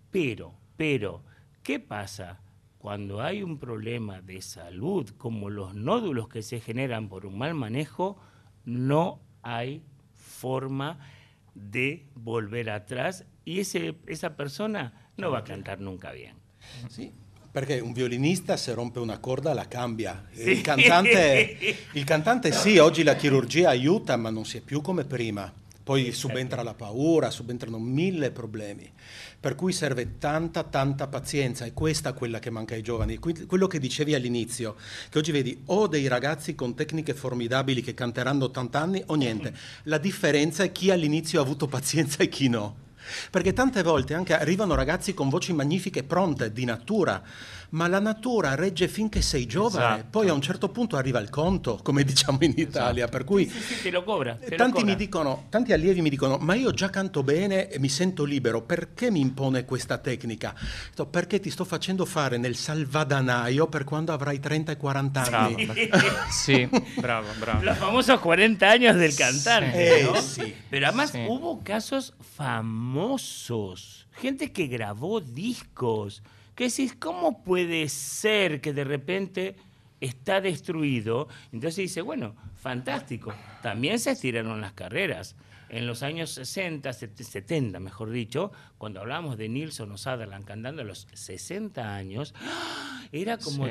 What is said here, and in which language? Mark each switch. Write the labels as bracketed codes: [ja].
[es] Pero, ¿qué pasa cuando hay un problema de salud como los nódulos que se generan por un mal manejo? No hay forma de volver atrás y esa persona no va a cantar nunca bien. Sí, porque un violinista se rompe una corda, la cambia. Sí. El cantante sí, [it] oggi la chirurgia aiuta, ma non si è più come prima. Poi subentra la paura, subentrano mille problemi. Per cui serve tanta, tanta pazienza. E questa è quella che manca ai giovani. Quello che dicevi all'inizio, che oggi vedi o dei ragazzi con tecniche formidabili che canteranno 80 anni o niente. La differenza è chi all'inizio ha avuto pazienza e chi no. Perché tante volte anche arrivano ragazzi con voci magnifiche, pronte, di natura, ma la natura regge finché sei giovane, esatto. Poi a un certo punto arriva il conto, come diciamo in Italia, esatto. Per cui [es] sì, te lo cobra, te [it] tanti [es] lo cobra. [it] Mi dicono, tanti allievi mi dicono, ma io già canto bene e mi sento libero, perché mi impone questa tecnica? Perché ti sto facendo fare nel salvadanaio per quando avrai 30 e 40 anni. Sì, bravo, bravo. La famosa 40 anni del cantante, sì. No? Sì. Però además, sì. [es] Hubo casos famosos, gente que grabó discos, que decís, ¿cómo puede ser que de repente está destruido? Entonces dice, bueno, fantástico, también se estiraron las carreras. En los años 60, 70, mejor dicho, cuando hablábamos de Nilsson o Sutherland cantando a los 60 años, ¡ah! Era como sí.